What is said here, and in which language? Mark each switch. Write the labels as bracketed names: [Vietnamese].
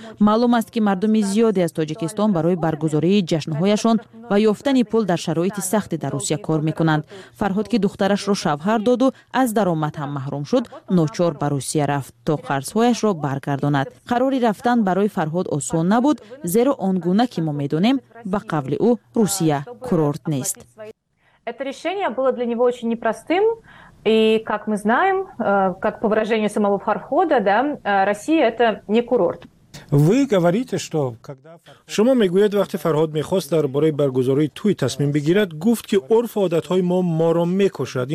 [Persian] معلوم است که مردم زیادی از تاجیکستان برای برگزاری جشن هایشان و یافتن پول در شرایط سخت در روسیه کار میکنند. فرهاد که دخترش را شوهر داد و از درآمد هم محروم شد، ناچار به روسیه رفت تا قرضهایش را برگرداند. قراری رفتن برای فرهاد آسان نبود، زیرا آن گونه که ما میدونیم به قول او روسیه курорт نیست. [Russian] Это решение было для него очень непростым. И как мы знаем, как по выражению самого Фархода, да, Россия это не курорт. Вы говорите, что когда [Tajik] Шумо мегуед вақти Фарҳод мехост дар бораи баргузории туй тасмим бигирад, гуфт ки орф ва одатҳои мо моро мекушад.